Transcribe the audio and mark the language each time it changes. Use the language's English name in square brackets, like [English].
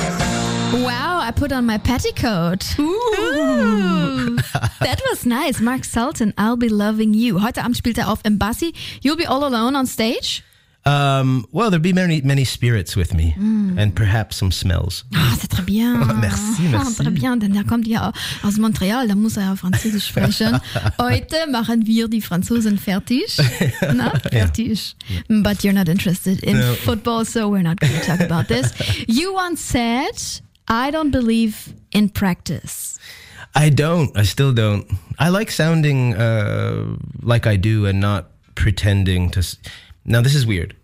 [English] I put on my petticoat. Ooh. That was nice. Mark Salton, I'll Be Loving You. [German] Heute Abend spielt auf im Bassi. [English] You'll be all alone on stage? Well, there'd be many, many spirits with me and perhaps some smells. [French] Ah, c'est très bien. Merci, merci. Ah, très bien, [German] denn er kommt ja aus Montreal, da muss er ja Französisch sprechen. Heute machen wir die Franzosen fertig. Na, fertig. [English] Yeah. But you're not interested in football, so we're not going to talk about this. You once said, I don't believe in practice. I don't. I still don't. I like sounding like I do and not pretending to... Now, this is weird.